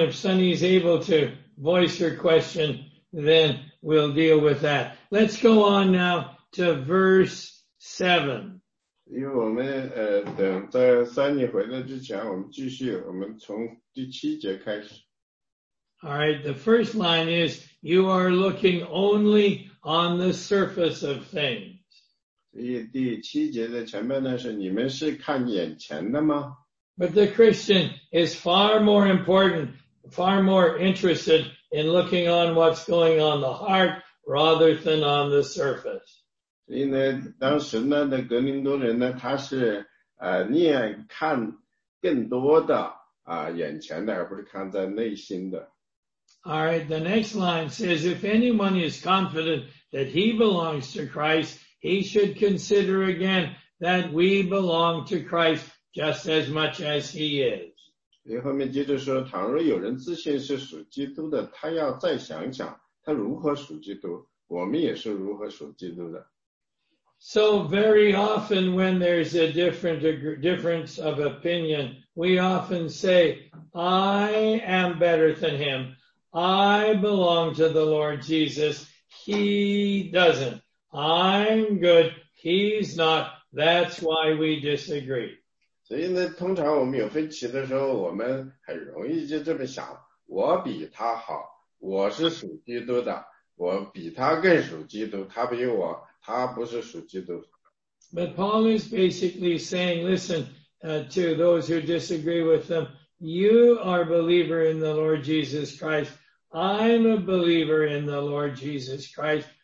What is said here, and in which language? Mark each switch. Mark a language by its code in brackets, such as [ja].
[en] If Sunny's able to voice her question, then we'll deal with that. Let's go on now to verse 7. [zh] 因为我们等在三尼回来之前，我们继续，我们从第七节开始。 [en] All right, the first line is you are looking only on the surface of things. [zh] 所以第七节的前面呢是你们是看眼前的吗？ [en] But the Christian is far more important, far more interested in looking on what's going on the heart, rather than on the surface. [zh] 所以呢，当时呢，那格林多人呢，他是念看更多的眼前的，而不是看在内心的。 [en] All right, the next line says, if anyone is confident that he belongs to Christ, he should consider again that we belong to Christ just as much as he is. [zh] 所以后面接着说，倘若有人自信是属基督的，他要再想想他如何属基督，我们也是如何属基督的。 [en] So very often when there's a difference of opinion, we often say, I am better than him. I belong to the Lord Jesus. He doesn't. I'm good. He's not. That's why we disagree. [zh] 所以呢，通常我们有分歧的时候，我们很容易就这么想，我比他好，我是属基督的，我比他更属基督，他比我他不是属基督。 [en] But Paul is basically saying, listen, to those who disagree with them, you are a believer in the Lord Jesus Christ. I'm a believer in the Lord Jesus Christ.